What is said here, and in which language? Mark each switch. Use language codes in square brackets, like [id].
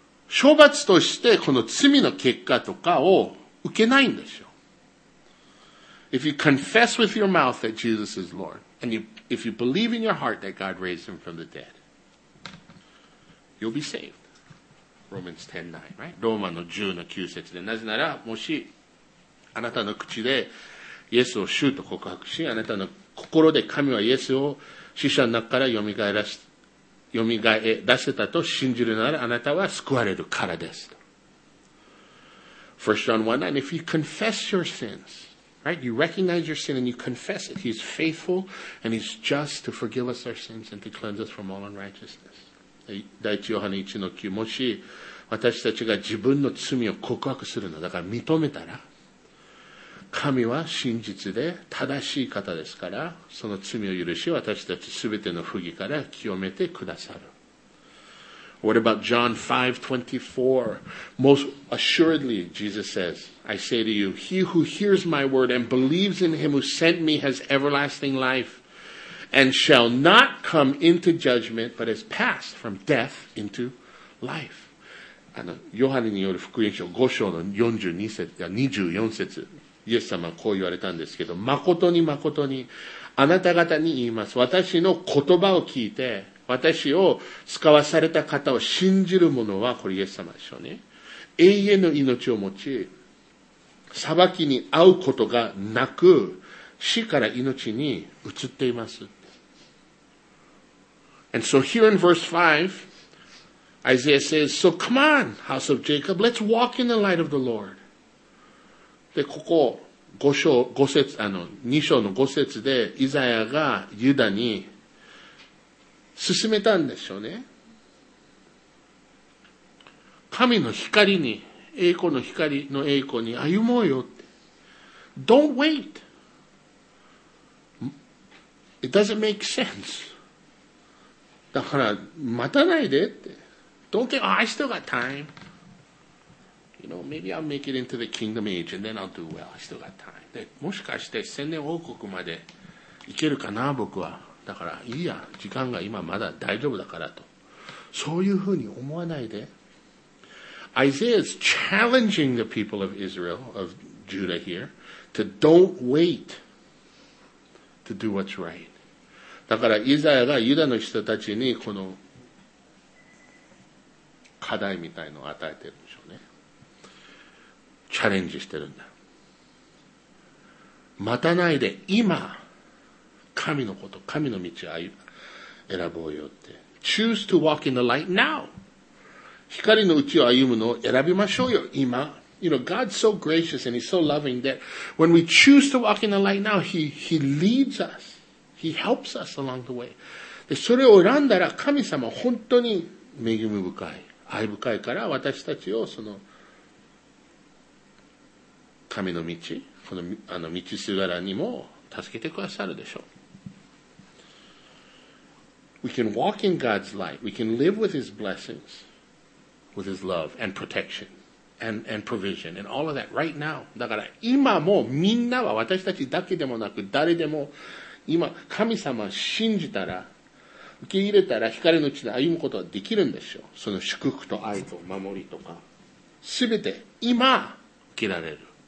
[ja] 処罰として、この罪の結果とかを受けないんでしょ。 [en] If you confess with your mouth that Jesus is Lord, and if you believe in your heart that God raised him from the dead, you'll be saved. Romans 10:9, right? [ja] ローマの10の9節で、なぜなら、もし、あなたの口で、イエスを主と告白し、あなたの心で神はイエスを死者の中から蘇らせたと信じるなら、あなたは救われるからです。 [en] 1 John 1:9, if you confess your sins,Right? You recognize your sin and you confess it. He's faithful and he's just to forgive us our sins and to cleanse us from all unrighteousness. [ja] 第一ヨハネ1の9、もし私たちが自分の罪を告白するのだから認めたら、神は真実で正しい方ですから、その罪を許し私たち全ての不義から清めてくださる。 [en] What about John 5:24? Most assuredly, Jesus says, I say to you, he who hears my word and believes in him who sent me has everlasting life and shall not come into judgment, but has passed from death into life. [ja] ヨハネによる福音書5章の24節、イエス様はこう言われたんですけど、誠に誠にあなた方に言います。私の言葉を聞いて、私を使わされた方を信じる者は、これイエス様でしょうね。永遠の命を持ち、裁きに遭うことがなく、死から命に移っています。 [en] And so here in verse 5, Isaiah says, So come on, house of Jacob, let's walk in the light of the Lord. [ja] で、ここ、2章の5節で、イザヤがユダに、進めたんでしょうね。神の光に、栄光の光の栄光に歩もうよって。 [en] Don't wait. It doesn't make sense. [ja] だから、待たないでって。 [en] Don't think,、oh, I still got time. You know, maybe I'll make it into the kingdom age and then I'll do well. I still got time. [ja] で、もしかして千年王国まで行けるかな、僕は。だからいいや、時間が今まだ大丈夫だからと、そういうふうに思わないで。 [en] Isaiah is challenging the people of Israel, of Judah here, to don't wait to do what's right. [ja] だからイザヤがユダの人たちにこの課題みたいのを与えてるんでしょうね。チャレンジしてるんだ。待たないで今神のこと、神の道を選ぼうよって。 [en] Choose to walk in the light now. [ja] 光の道を歩むのを選びましょうよ今。 [en] You know, God's so gracious and He's so loving that when we choose to walk in the light now, He leads us. He helps us along the way. [ja] で、それを選んだら神様本当に恵み深い、愛深いから私たちをその神の道、この、あの道すがらにも助けてくださるでしょう。 [en] We can walk in God's light. We can live with His blessings, with His love and protection. And provision and all of that right now. [ja] だから今もみんなは私たちだけでもなく誰でも今神様を信じたら受け入れたら光の地で歩むことはできるんですよ。その祝福と愛と守りとか全て今受けられる。